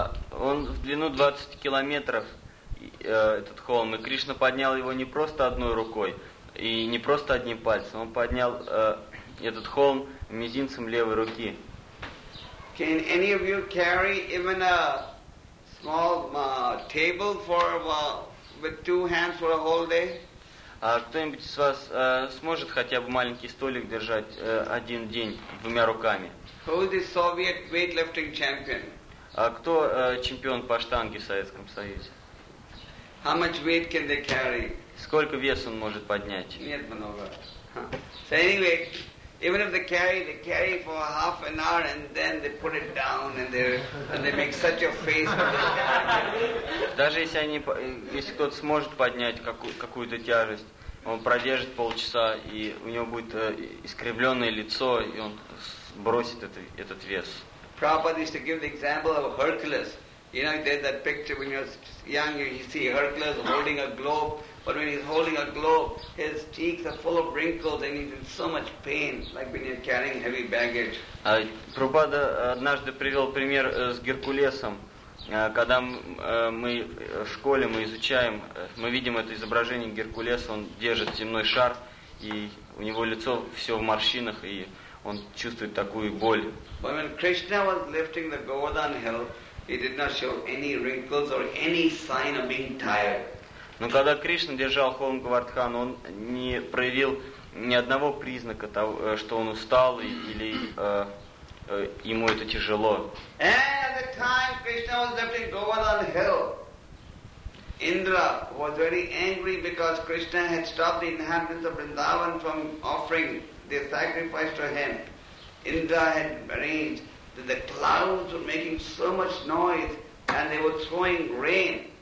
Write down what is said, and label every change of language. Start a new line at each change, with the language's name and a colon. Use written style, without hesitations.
Russian: Он в длину 20 километров этот холм, и Кришна поднял его не просто одной рукой и не просто одним пальцем, он поднял этот холм мизинцем левой руки.
English: Can any of you carry even a small table for with two hands for a whole day?
Russian: Кто-нибудь из вас сможет хотя бы маленький столик держать один день двумя руками?
English: Who is the Soviet weightlifting champion?
Russian: Кто чемпион по штанге в Советском Союзе?
English: How much weight can they carry?
Russian: Сколько вес он может поднять? Нет, много.
English: So anyway, even if they carry for a half an hour and then they put it down and they make such a face.
Russian: Даже если кто-то сможет поднять какую-то тяжесть, он продержит полчаса, и у него будет искривленное лицо, и он бросит этот вес.
English: Prabhupada used to give the example of Hercules. You know, there's that picture when you're young, you see Hercules holding a globe. But when he's holding a globe, his cheeks are full of wrinkles and he's in so much pain, like when you're carrying heavy baggage.
Russian: Prabhupada однажды привел пример с Геркулесом. Когда мы в школе, мы изучаем, мы видим это изображение Геркулеса, он держит земной шар, и у него лицо все в морщинах, и он чувствует такую боль.
English: When Krishna was lifting the Govardhan hill, he did not show any wrinkles or any sign of being tired.
Russian: Но когда Кришна держал холм Говардхан, он не проявил ни одного признака того, что он устал или ему это тяжело.
English: At the time Krishna was lifting Govardhan hill, Indra was very angry because Krishna had stopped the inhabitants of Vrindavan from offering their sacrifice to him. Indra had arranged that the clouds were making so much noise and they were throwing rain.